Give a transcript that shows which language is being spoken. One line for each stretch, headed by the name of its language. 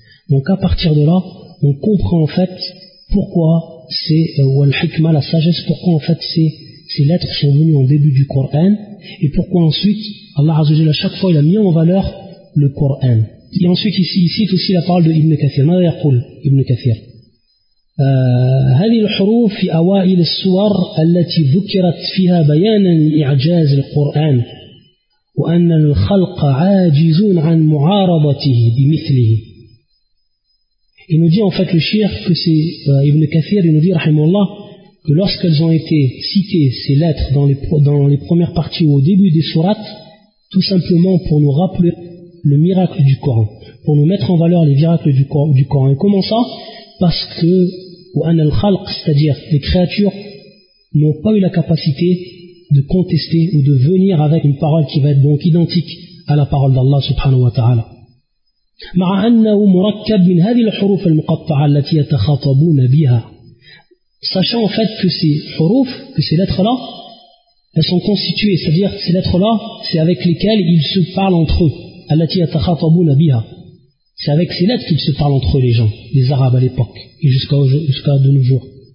French: Donc à partir de là, on comprend en fait pourquoi c'est, ou al-hikma, la sagesse, pourquoi en fait ces lettres sont venues en début du Coran, et pourquoi ensuite, Allah Azza wa Jalla, à chaque fois, il a mis en valeur le Coran. Et ensuite, ici, il cite aussi la parole de Ibn Kathir.
Arabic: ماذا يقول
French: Ibn Kathir.
Arabic: هذه الحروف في أوائل السور التي ذكرت فيها بيانا لإعجاز القرآن وأن الخلق عاجزون عن معارضته بمثله.
French: Il nous dit en fait le shir que c'est Ibn Kathir, il nous dit rahimahullah que lorsqu'elles ont été citées ces lettres dans les premières parties ou au début des sourates, tout simplement pour nous rappeler le miracle du Coran, pour nous mettre en valeur les miracles du Coran. Et comment ça? Parce que c'est-à-dire les créatures n'ont pas eu la capacité de contester ou de venir avec une parole qui va être donc identique à la parole d'Allah subhanahu wa ta'ala.
Arabic: مع أنه مركب من هذه الحروف المقطعة التي يتخاطبون بها.
French: Sachant en fait que ces حروف, que ces lettres-là, elles sont constituées, c'est-à-dire ces lettres-là, c'est avec lesquelles ils se parlent entre eux.
Arabic: التي يتخاطبون بها.
French: C'est avec ces lettres qu'ils se parlent entre eux, les gens, les Arabes à l'époque, et jusqu'à de nos jours.